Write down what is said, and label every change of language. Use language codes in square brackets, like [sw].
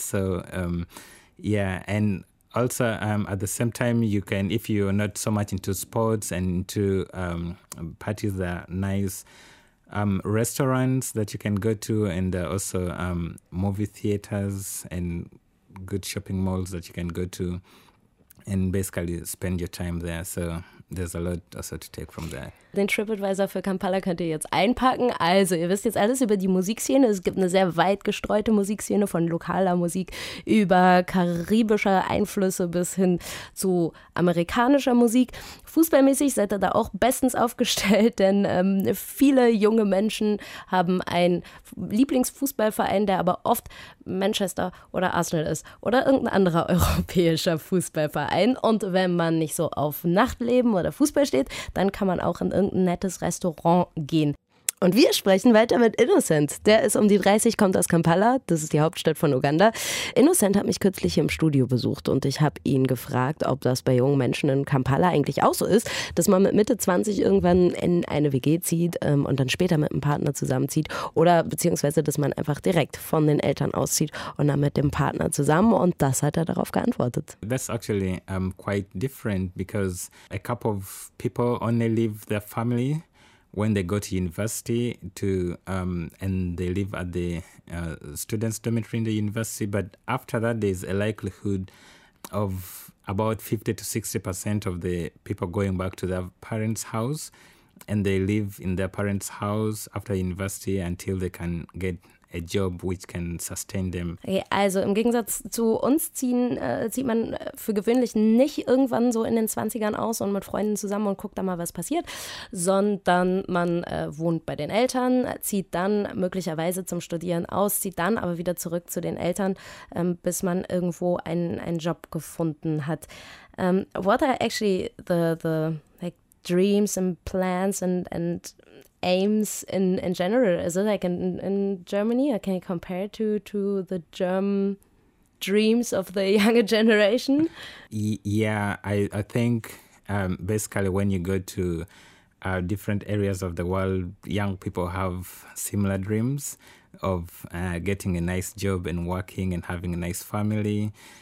[en] So, yeah. And also at the same time, you can, if you're not so much into sports and into parties, there are nice restaurants that you can go to, and also movie theaters and good shopping malls that you can go to. And basically spend your time there. So there's a lot also to take from there. [de] Den TripAdvisor für Kampala könnt ihr jetzt einpacken. Also ihr wisst jetzt alles über die Musikszene. Es gibt eine sehr weit gestreute Musikszene von lokaler Musik über karibische Einflüsse bis hin zu amerikanischer Musik. Fußballmäßig seid ihr da auch bestens aufgestellt, denn viele junge Menschen haben einen Lieblingsfußballverein, der aber oft Manchester oder Arsenal ist oder irgendein anderer europäischer Fußballverein. Und wenn man nicht so auf Nachtleben oder Fußball steht, dann kann man auch in irgendein nettes Restaurant gehen. Und wir sprechen weiter mit Innocent. Der ist um die 30, kommt aus Kampala, das ist die Hauptstadt von Uganda. Innocent hat mich kürzlich hier im Studio besucht und ich habe ihn gefragt, ob das bei jungen Menschen in Kampala eigentlich auch so ist, dass man mit Mitte 20 irgendwann in eine WG zieht und dann später mit einem Partner zusammenzieht oder beziehungsweise, dass man einfach direkt von den Eltern auszieht und dann mit dem Partner zusammen, und das hat er darauf geantwortet. [en] That's actually quite different, because a couple of people only leave their family when they go to university and they live at the students' dormitory in the university. But after that, there's a likelihood of about 50 to 60% of the people going back to their parents' house. and they live in their parents' house after university until they can get a job which can sustain them. [de] Okay, also im Gegensatz zu uns zieht man für gewöhnlich nicht irgendwann so in den 20ern aus und mit Freunden zusammen und guckt da mal, was passiert, sondern man wohnt bei den Eltern, zieht dann möglicherweise zum Studieren aus, zieht dann aber wieder zurück zu den Eltern, bis man irgendwo einen Job gefunden hat. [en] What are actually the like dreams and plans and aims in general? Is it like in Germany, or can you compare it to the German dreams of the younger generation? Yeah, I think basically when you go to different areas of the world, young people have similar dreams of getting a nice job and working and having a nice family.